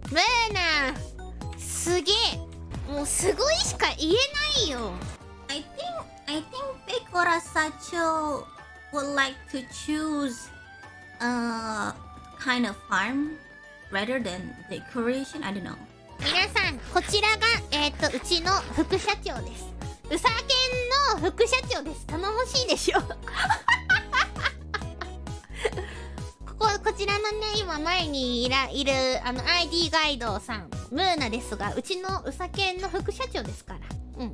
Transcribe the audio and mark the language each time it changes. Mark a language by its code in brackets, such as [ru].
[ja] ムーナ、すげえ、もうすごいしか言えないよ。 [en] I think ピコラ社長 would like to choose a kind of farm. Rather than decoration, I don't know. [ja] 皆さん、こちらが、うちの副社長です。ウサケンの副社長です。頼もしいでしょ。こちらのね、今前にいるあの ID ガイドさん、ムーナですが、うちのウサケンの副社長ですから。うん。